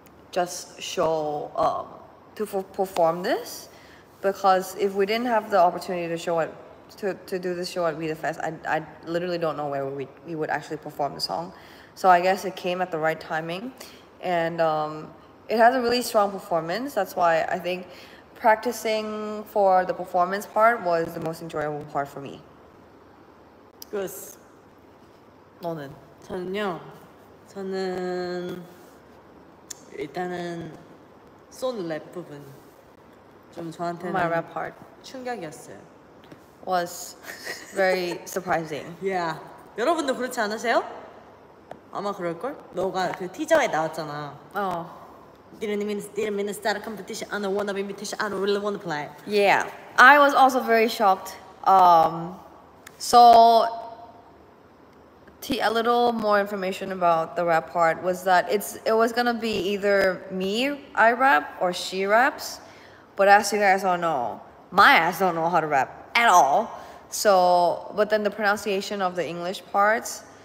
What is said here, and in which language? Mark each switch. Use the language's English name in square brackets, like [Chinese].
[English] just show to perform this because if we didn't have the opportunity to show it to do this show at We The Fest I literally don't know where we would actually perform the song so I guess it came at the right timing and it has a really strong performance that's why I think practicing for the performance part was the most enjoyable part for me. [Korean] 그래서 너는? 저는요. 저는 일단은 손 랩 부분 좀 저한테는 [English] my rap part [Korean] 충격이었어요. [English] was very surprising. yeah. [Korean] 여러분도 그렇지 않으세요? 아마 그럴 걸? 너가 그 티저에 나왔잖아. 어. [English] Didn't mean to start a competition. I don't want to be invitation. I don't really want to play. Yeah, I was also very shocked. A little more information about the rap part was that it was gonna be either me I rap or she raps, but as you guys all know, my ass don't know how to rap at all. So, but then the pronunciation of the English parts